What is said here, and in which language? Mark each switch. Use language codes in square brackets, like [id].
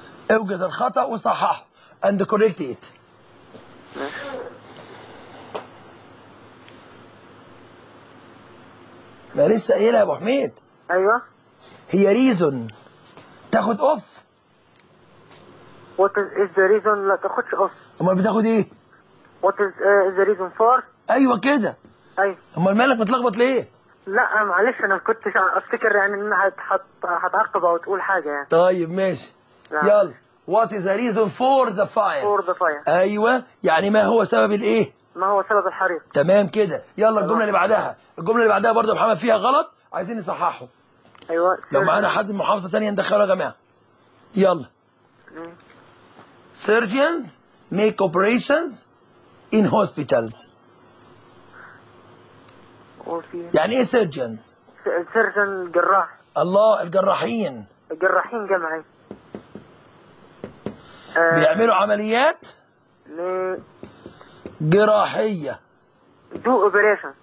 [ar] اوجد الخطأ وصححه [en] and correct it. [ar] ما لسه قايلها يا ابو حميد. ايوه هي reason تاخد اوف. [en] What is the reason [ar] لا تاخدش اوف؟ امال بتاخد ايه؟ [en] What is the reason for؟ [ar] ايوه كده. ايوه امال مالك متلخبط ليه؟ لا معلش انا كنتش افتكر يعني انها هتعقب او تقول حاجه يعني. طيب ماشي. [en] يلا What is the reason for the fire? For the fire. [ar] أيوة يعني ما هو سبب الإيه؟ ما هو سبب الحريق. تمام كده. يلا تمام. الجملة اللي بعدها برضو محمد فيها غلط عايزين نصححه. أيوة لو معانا حد من محافظة تانية ندخله يا جماعة. [en] يلا Surgeons make operations in hospitals. [ar] يعني إيه surgeons؟ surgeon جراح. الله الجراحين. الجراحين جمعي. بيعملوا عمليات جراحية. [en] Do operation.